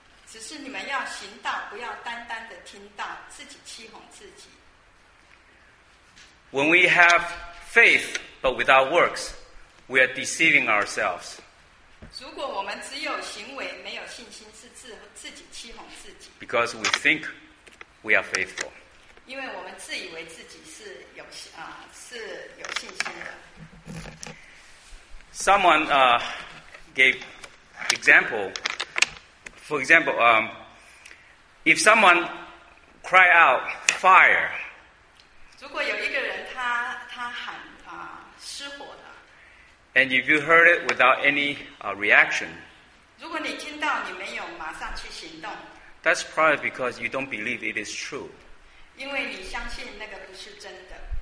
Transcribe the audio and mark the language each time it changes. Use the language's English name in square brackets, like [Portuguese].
[Chinese] 只是你们要行道，不要单单的听道，自己欺哄自己。 [English] When we have faith but without works, we are deceiving ourselves. [Chinese] 如果我们只有行为，没有信心，是自己欺哄自己。 [English] Because we think. We are faithful. [Chinese] 因为我们自以为自己是有啊、是有信心的。 [English] Someone gave example. For example, if someone cry out fire. [Chinese] 如果有一个人他喊啊、失火的。 [English] And if you heard it without any reaction. [Chinese] 如果你听到你没有马上去行动。 [English] That's probably because you don't believe it is true. [Chinese] 因为你相信那个不是真的。